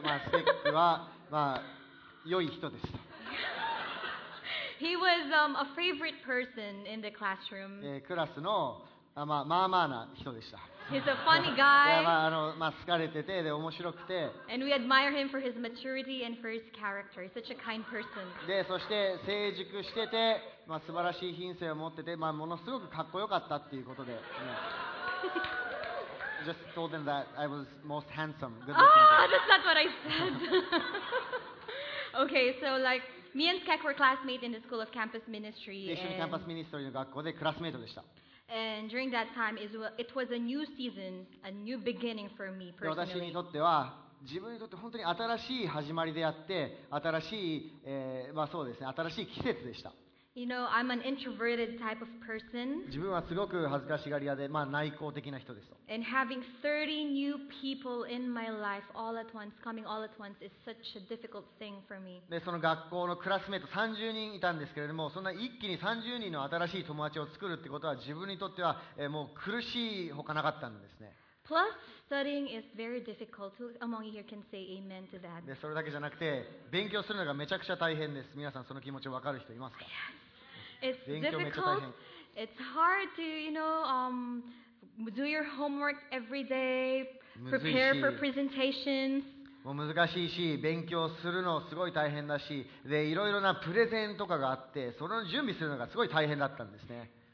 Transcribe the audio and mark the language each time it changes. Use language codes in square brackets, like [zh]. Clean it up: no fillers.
[ja] まあ、スケックは、まあ、良い人です。 [en] He was a favorite person in the classroom. [ja] クラスのまあ、まあまあな人でした。 [en] He's a funny guy. [ja] まあ、まあ、好かれてて、で、面白くて。 [en] And we admire him for his maturity and for his character. He's such a kind person. [ja] で、そして成熟してて、まあ、素晴らしい品性を持ってて、まあ、ものすごくかっこよかったっていうことで。 [en] Just told them that I was most handsome. Good looking. Ah, that's not what I said. Okay, so like. Me and Skek were classmates in the School of Campus Ministry. [ja] 一緒にキャンパスミニストリーの学校でクラスメートでした。 [en] And during that time, it was a new season, a new beginning for me personally. [ja] 私にとっては、自分にとって本当に新しい始まりであって、新しい、まあそうですね、新しい季節でした。 [en] You know, I'm an introverted type of person. [ja] 自分はすごく恥ずかしがり屋で、まあ内向的な人です。 [en] And having 30 new people in my life all at once, coming all at once, is such a difficult thing for me. [ja] で、その学校のクラスメート30人いたんですけれども、そんな一気に30人の新しい友達を作るってことは、自分にとっては、もう苦しいほかなかったんですね。 [en] Plus, studying is very difficult. Who among you here can say amen to that? [ja] で、それだけじゃなくて、勉強するのがめちゃくちゃ大変です。皆さん、その気持ちわかる人いますか？ [en] Yes. It's difficult. It's hard to, you know, do your homework every day, prepare for presentations. [ja] もう難しいし、勉強するのすごい大変だし、で、いろいろなプレゼンとかがあって、その準備するのがすごい大変だったんですね。